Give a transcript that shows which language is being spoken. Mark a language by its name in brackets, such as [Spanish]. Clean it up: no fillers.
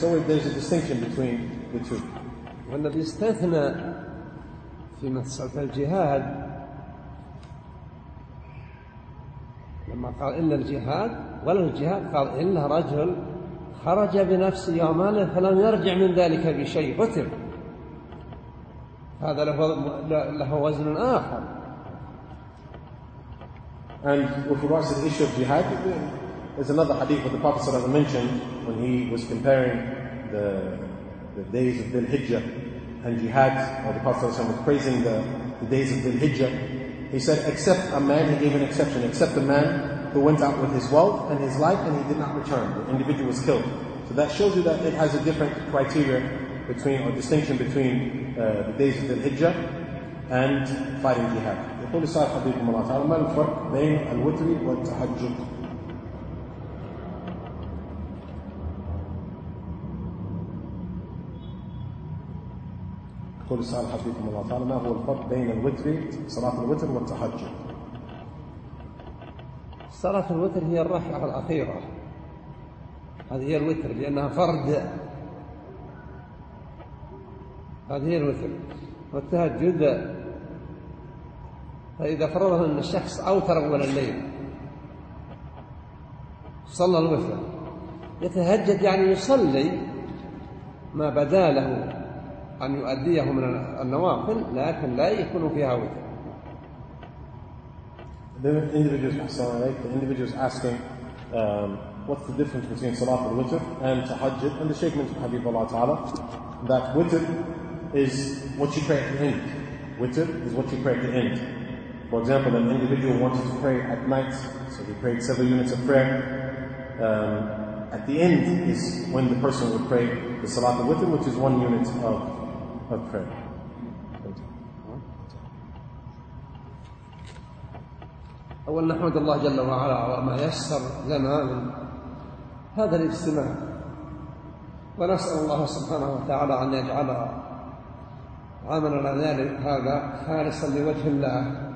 [English] So there's a distinction between the two. When the istathna fi mas'alat al-jihad, [Arabic] لما قال إلا الجهاد ولا الجهاد قال إلا رجل خرج بنفسه وماله فلم يرجع من ذلك بشيء قتل، هذا له وزن آخر. [English] And with regards to the issue of jihad, there's another hadith that the Prophet [Arabic] صلى الله عليه وسلم [English] mentioned when he was comparing the days of Dhul-Hijjah and jihad. The Prophet [Arabic] صلى الله عليه وسلم [English] was praising the days of Dhul-Hijjah. He said, except a man, he gave an exception, except a man who went out with his wealth and his life and he did not return. The individual was killed. So that shows you that it has a different criteria between, or distinction between the days of the Hijjah and fighting jihad. [Arabic] يقول السائل حبيبكم الله تعالى ما الفرق بين الوتر والتهجد؟ قول السؤال حفظكم الله تعالى ما هو الفرق بين الوتر صلاة الوتر والتهجد؟ صلاة الوتر هي الركعة الأخيرة، هذه هي الوتر لأنها فرد، هذه هي الوتر. والتهجد فإذا فرضه أن الشخص أوتر أول الليل صلى الوتر، يتهجد يعني يصلي ما بدا له أن يؤديه من النوافل لكن لا يكون فيها وتر. [English] The individual is asking what's the difference between Salat al-Witr and Tahajjud, and the Shaykh mentioned Habib Allah Ta'ala that Witr is what you pray at the end. Witr is what you pray at the end. For example, an individual wanted to pray at night, so he prayed several units of prayer. At the end is when the person would pray the Salat al-Witr, which is one unit of prayer. [Arabic] أول نحمد الله جل وعلا على ما يسر لنا من هذا الاجتماع، ونسأل الله سبحانه وتعالى أن يجعل عملنا هذا خالصا لوجه الله